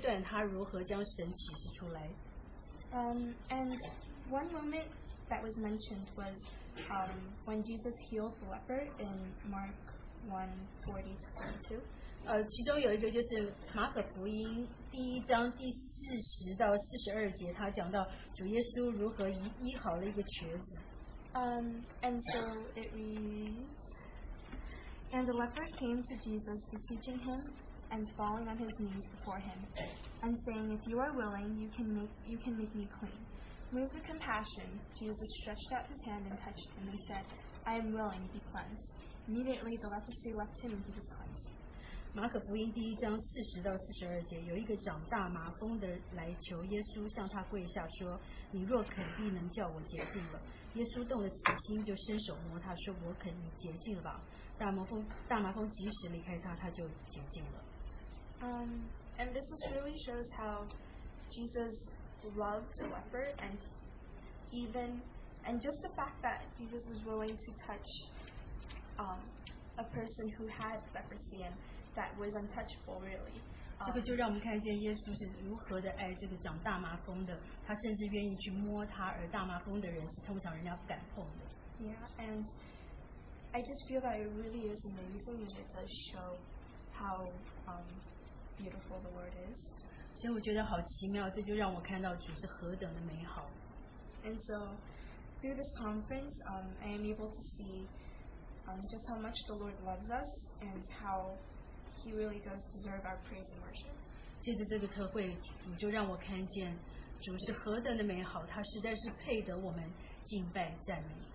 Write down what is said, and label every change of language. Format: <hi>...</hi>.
<zh>最让我感动的就是Maurice弟兄他在讲到主耶稣生命中五个阶段他如何将神启示出来。</zh> <en>And one moment that was mentioned was when Jesus healed the leper in Mark 1:40-42.</en> <zh>其中有一个就是马可福音第一章第四 40到42节，他讲到主耶稣如何医好了一个瘸子。</zh> <en>And so it reads, And the leper came to Jesus, beseeching him, and falling on his knees before him, and saying, If you are willing, you can make me clean. Moved with compassion, Jesus stretched out his hand and touched him, and said, I am willing, be cleansed. Immediately the leprosy left him, and he was cleansed.</en> <zh>马可福音第一章四十到四十二节，有一个长大麻风的来求耶稣，向他跪下说：“你若肯，必能叫我洁净了。” 耶稣动了慈心，就伸手摸他说：“我肯，你洁净了吧。” 大麻风及时离开他，他就洁净了。</zh> <en>And this is really shows how Jesus loved the leper, and just the fact that Jesus was willing to touch a person who had leprosy and that was untouchable, really.</en> <zh>这个就让我们看见耶稣是如何的爱这个长大麻风的，他甚至愿意去摸他，而大麻风的人是通常人家不敢碰的。</zh> <en>Yeah, and I just feel that it really is amazing, and it does show how beautiful the Lord is.</en> <zh>所以我觉得好奇妙，这就让我看到主是何等的美好。</zh> <en>And so, through this conference, I am able to see just how much the Lord loves us and how He really does deserve our praise and worship.</en> <zh>借着这个特会，主就让我看见主是何等的美好，他实在是配得我们敬拜赞美。</zh>